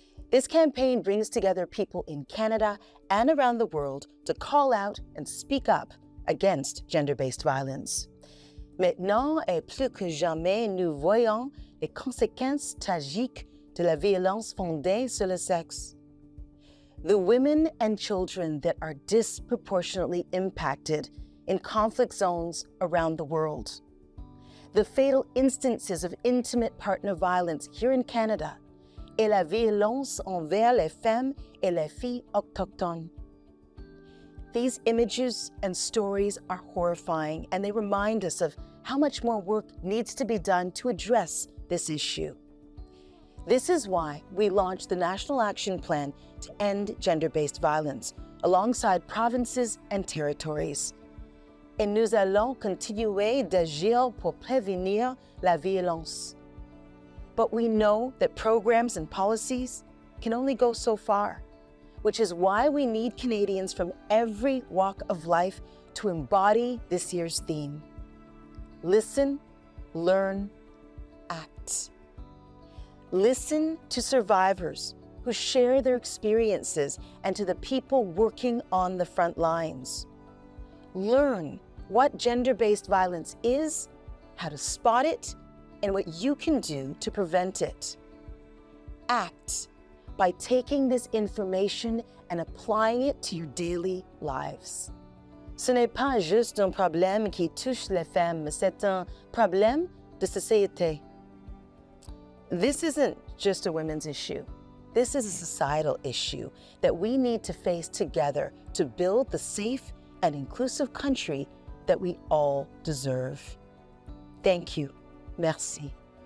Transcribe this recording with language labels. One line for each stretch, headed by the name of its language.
English: This campaign brings together people in Canada and around the world to call out and speak up against gender-based violence.
French: Maintenant et plus que jamais, nous voyons les conséquences tragiques de la violence fondée sur le sexe.
English: The women and children that are disproportionately impacted in conflict zones around the world. The fatal instances of intimate partner violence here in Canada
French: et la violence envers les femmes et les filles autochtones.
English: These images and stories are horrifying, and they remind us of how much more work needs to be done to address this issue. This is why we launched the National Action Plan to End Gender-Based Violence alongside provinces and territories.
French: Et nous allons continuer d'agir pour prévenir la violence.
English: But we know that programs and policies can only go so far, which is why we need Canadians from every walk of life to embody this year's theme. Listen, learn, act. Listen to survivors who share their experiences and to the people working on the front lines. Learn what gender-based violence is, how to spot it, and what you can do to prevent it. Act by taking this information and applying it to your daily lives.
French: Ce n'est pas juste un problème qui touche les femmes, c'est un problème de société.
English: This isn't just a women's issue. This is a societal issue that we need to face together to build the safe and inclusive country that we all deserve. Thank you.
French: Merci.